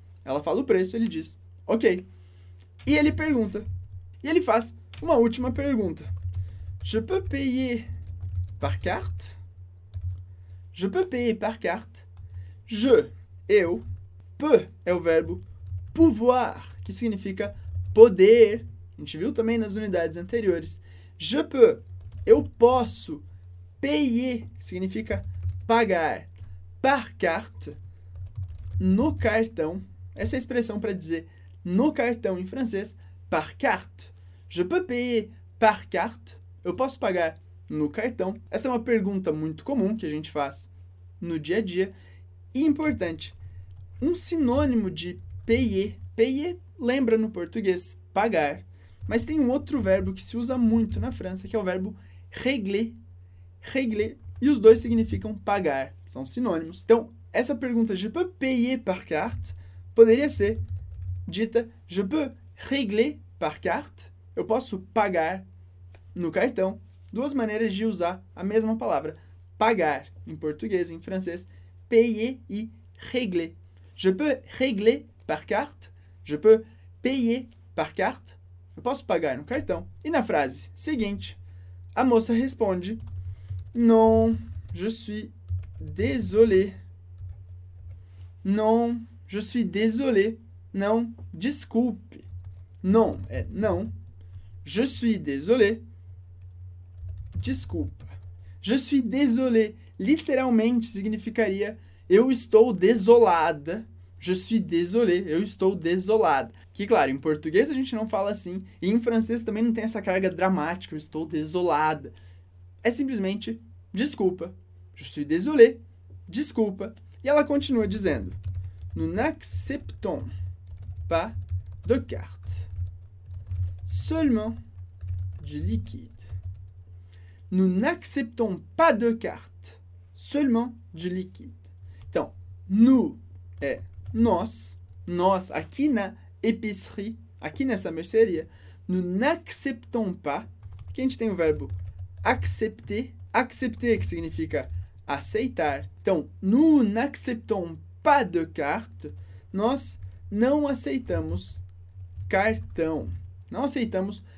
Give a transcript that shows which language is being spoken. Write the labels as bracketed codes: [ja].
[pt] Ela fala o preço, ele diz, ok. E ele pergunta, e ele faz uma última pergunta. [fr] Je peux payer par carte? Je peux payer par carte? [pt] Je, eu, peux é o verbo pouvoir, que significa poder. A gente viu também nas unidades anteriores. [fr] Je peux, [pt] eu posso, payer, significa pagar, [fr] par carte. [pt] No cartão, essa expressão para dizer no cartão em francês, [fr] par carte. Je peux payer par carte. [pt] Eu posso pagar no cartão. Essa é uma pergunta muito comum que a gente faz no dia a dia. E importante, um sinônimo de payer. Payer lembra no português pagar. Mas tem um outro verbo que se usa muito na França, que é o verbo régler. Régler. E os dois significam pagar. São sinônimos. Então, essa pergunta, [fr] je peux payer par carte, [pt] poderia ser dita, [fr] je peux régler par carte, [pt] eu posso pagar no cartão. Duas maneiras de usar a mesma palavra, pagar em português, em francês, payer e régler. [fr] Je peux régler par carte, je peux payer par carte, [pt] eu posso pagar no cartão. E na frase seguinte, a moça responde, [fr] non, je suis désolé. Non, je suis désolé. [pt] Não, desculpe. [fr] Non é não. Je suis désolé. [pt] Desculpa. [fr] Je suis désolé. [pt] Literalmente significaria eu estou desolada. [fr] Je suis désolé. [pt] Eu estou desolada. Que, claro, em português a gente não fala assim. E em francês também não tem essa carga dramática. Eu estou desolada. É simplesmente desculpa. [fr] Je suis désolé. [pt] Desculpa. E ela continua dizendo, [fr] nous n'acceptons pas de carte, seulement du liquide. Nous n'acceptons pas de carte, seulement du liquide. [pt] Então, nous é nós, nós aqui na épicerie, aqui nessa merceria. [fr] Nous n'acceptons pas, [pt] aqui a gente tem o verbo accepter, accepter que significa aceitar. Então, [fr] nous n'acceptons pas de carte, [pt] nós não aceitamos cartão. Não aceitamos